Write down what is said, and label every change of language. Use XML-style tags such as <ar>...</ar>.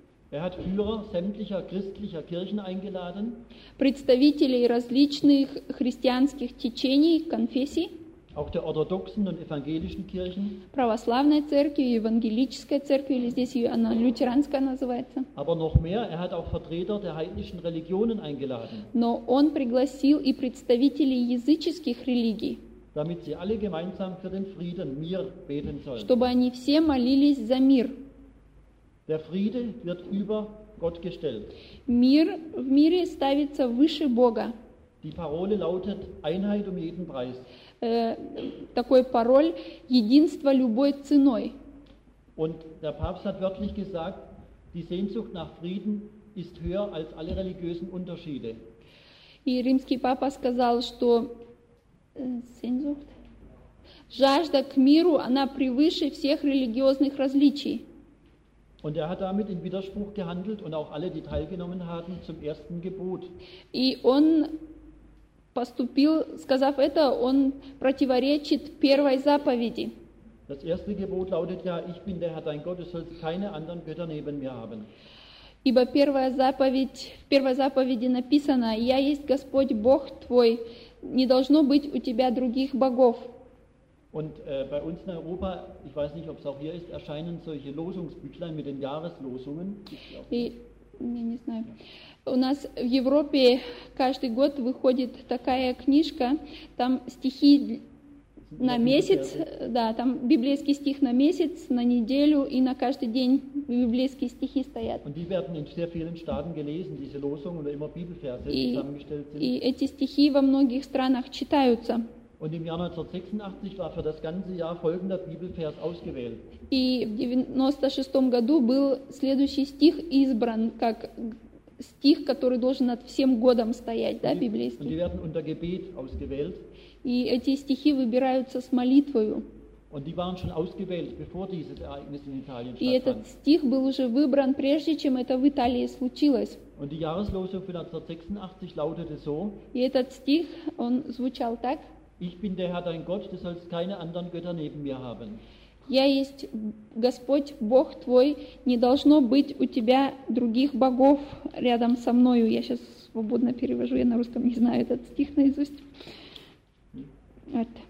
<de>Er hat Führer sämtlicher christlicher Kirchen eingeladen.</de> <ru>Представителей различных христианских течений, конфессий.</ru> <de>Auch der orthodoxen und evangelischen Kirchen.</de> <ru>Православной церкви, евангелической церкви, или здесь она лютеранская называется.</ru> <de>Aber noch mehr, er hat auch Vertreter der heidnischen Religionen eingeladen.</de> <ru>Но он пригласил и представителей языческих религий.</ru> <de>Damit sie alle gemeinsam für den Frieden, Mir, beten sollen.</de> <ru>Чтобы они все молились за мир.</ru> <de>Der Friede wird über Gott gestellt.</de> <ru>Мир в мире ставится выше Бога.</ru> <de>Die Parole lautet Einheit um jeden Preis.</de> <ru>Такой пароль «Единство любой ценой».</ru> <de>Und der Papst hat wörtlich gesagt, die Sehnsucht nach Frieden ist höher als alle religiösen Unterschiede.</de> <ru>И римский папа сказал, что Sehnsucht? Жажда к миру, она превыше всех религиозных различий.</ru> <de>Und er hat damit in Widerspruch gehandelt und auch alle, die teilgenommen haben, zum ersten Gebot.</de> <ru>И он поступил, сказав это, он противоречит первой заповеди.</ru> <de>Das erste Gebot lautet ja, ich bin der Herr dein Gott, du sollst keine anderen Götter neben mir haben.</de> <ru>Ибо первая заповедь, в первой заповеди написано, я есть Господь Бог твой, не должно быть у тебя других богов.</ru> <de>Und bei uns in Europa, ich weiß nicht, ob es auch hier ist, erscheinen solche Losungsbüchlein mit den Jahreslosungen.</de> <ru>Я не знаю. У нас в Европе каждый год выходит такая книжка, там стихи на месяц, да, там библейский стих на месяц, на неделю и на каждый день библейские стихи стоят.</ru> <de>Und die werden in sehr vielen Staaten gelesen, diese Losungen, oder immer Bibelverse zusammengestellt sind.</de> <ru>И эти стихи во многих странах читаются.</ru> <de>Und im Jahr 1986 war für das ganze Jahr folgender Bibelvers ausgewählt.</de> <ru>И в 96 году был следующий стих избран как стих, который должен над всем годом стоять, да, библейский.</ru> <de>Und die werden unter Gebet ausgewählt.</de> <ru>И эти стихи выбираются с молитвою.</ru> <de>Und die waren schon ausgewählt, bevor dieses Ereignis in Italien stattfand.</de> <ru>И этот стих был уже выбран прежде, чем это в Италии случилось.</ru> <de>Und die Jahreslosung für 1986 lautete so.</de> <ru>И этот стих он звучал так.</ru> <de>Ich bin der Herr dein Gott, du sollst keine anderen Götter neben mir haben.</de> <ru>Я есть Господь, Бог твой, не должно быть у тебя других богов рядом со мною. Я сейчас свободно перевожу, я на русском не знаю этот стих наизусть. Вот.</ru>